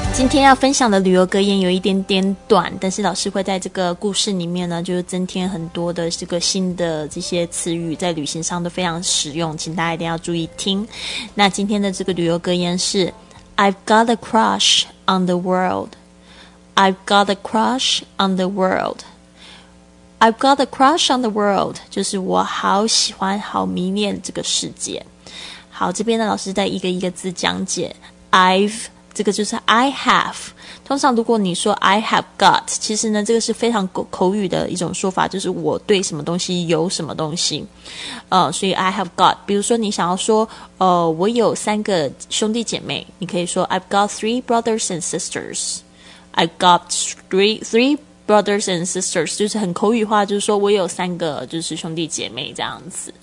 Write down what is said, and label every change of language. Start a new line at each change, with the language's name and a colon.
Chinese: 今天要分享的旅游格言有一点点短，但是老师会在这个故事里面呢，就是增添很多的这个新的这些词语，在旅行上都非常实用，请大家一定要注意听。那今天的这个旅游格言是
English: I've got a crush on the world. I've got a crush on the world. I've got a crush on the world.
Chinese: 就是我好喜欢好迷恋这个世界。好，这边呢老师再一个一个字讲解 I've这个就是 I have， 通常如果你说
English: I have got，
Chinese: 其实呢这个是非常口语的一种说法，就是我对什么东西有什么东西，所以 I have got， 比如说你想要说我有三个兄弟姐妹，你可以说
English: I've got three brothers and sisters，
Chinese: I've got three brothers and sisters， 就是很口语化，就是说我有三个就是兄弟姐妹这样子。